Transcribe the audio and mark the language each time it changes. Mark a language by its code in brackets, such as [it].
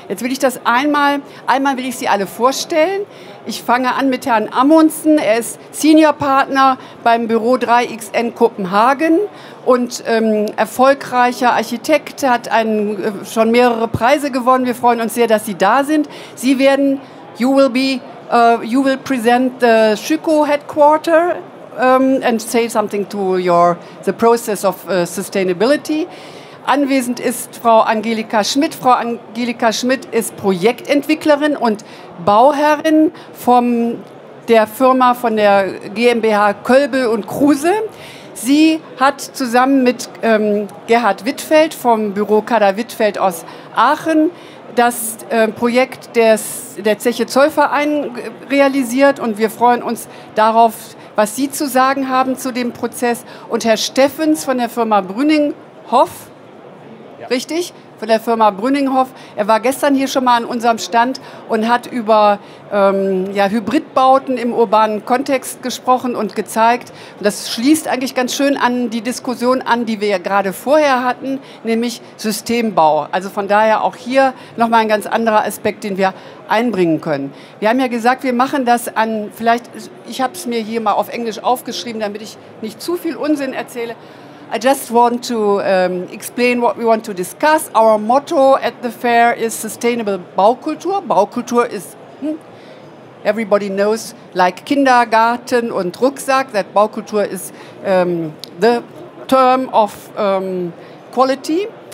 [de] Jetzt will ich das einmal will ich Sie alle vorstellen. Ich fange an mit Herrn Amundsen. Er ist Senior Partner beim Büro 3XN Kopenhagen und erfolgreicher Architekt, hat schon mehrere Preise gewonnen. Wir freuen uns sehr, dass Sie da sind. Sie werden, [en] you will present the Schüco Headquarter and say something to the process of sustainability. [de] Anwesend ist Frau Angelika Schmidt. Frau Angelika Schmidt ist Projektentwicklerin und Bauherrin von der Firma von der GmbH Kölbel und Kruse. Sie hat zusammen mit Gerhard Wittfeld vom Büro Kader Wittfeld aus Aachen das Projekt der Zeche Zollverein realisiert und wir freuen uns darauf, was Sie zu sagen haben zu dem Prozess. Und Herr Steffens von der Firma Brüninghoff, richtig? Von der Firma Brüninghoff. Er war gestern hier schon mal an unserem Stand und hat über Hybridbauten im urbanen Kontext gesprochen und gezeigt. Und das schließt eigentlich ganz schön an die Diskussion an, die wir ja gerade vorher hatten, nämlich Systembau. Also von daher auch hier nochmal ein ganz anderer Aspekt, den wir einbringen können. Wir haben ja gesagt, wir machen das an, vielleicht, ich habe es mir hier mal auf Englisch aufgeschrieben, damit ich nicht zu viel Unsinn erzähle. [en] I just want to explain what we want to discuss. Our motto at the fair is sustainable Baukultur. Baukultur is, everybody knows, like Kindergarten und Rucksack, that Baukultur is the term of quality.